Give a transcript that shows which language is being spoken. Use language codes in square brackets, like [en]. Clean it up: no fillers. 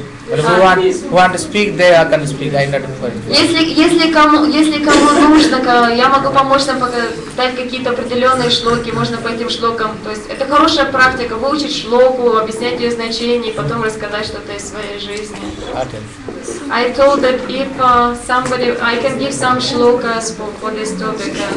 [en] But if you want to speak, there I can speak. I not afraid. [ru] Если кому нужно, я могу помочь нам дать какие-то определенные шлоки, можно по этим шлокам. То есть это хорошая практика, выучить шлоку, объяснять ее значение, и потом рассказать что-то из своей жизни. [en] Okay. I told that if somebody, I can give some shlokas for this topic.